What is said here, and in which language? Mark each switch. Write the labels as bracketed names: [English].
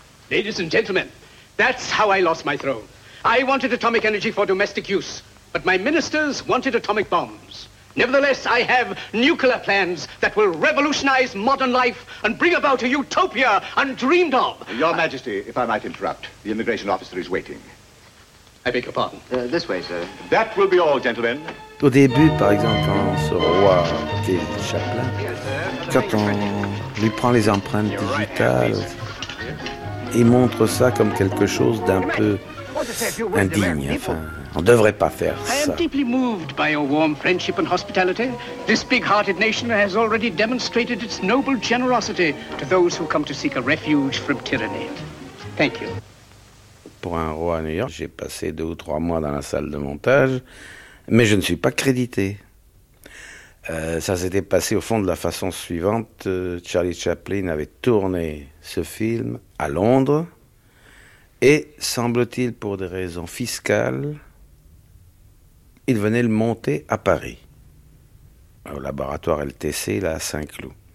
[English] Ladies and gentlemen, that's how I lost my throne. I wanted atomic energy for domestic use, but my ministers wanted atomic bombs. Nevertheless, I have nuclear plans that will revolutionize modern life and bring about a utopia undreamed of. Your Majesty, if I might interrupt, the immigration officer is waiting. I beg your pardon. This way, sir. That will be all, gentlemen. [French] Au début, par exemple, ce roi qui est le chaplain, quand on lui prend les empreintes digitales, il montre ça comme quelque chose d'un peu indigne, enfin... On ne devrait pas faire ça. [English] I am deeply moved by your warm friendship and hospitality. This big-hearted nation has already demonstrated its noble generosity to those who come to seek a refuge from tyranny. Thank you. [French] Pour un roi à New York, j'ai passé 2 ou 3 mois dans la salle de montage, mais je ne suis pas crédité. Ça s'était passé au fond de la façon suivante. Charlie Chaplin avait tourné ce film à Londres et, semble-t-il, pour des raisons fiscales, il venait le monter à Paris, au laboratoire LTC, là, à Saint-Cloud.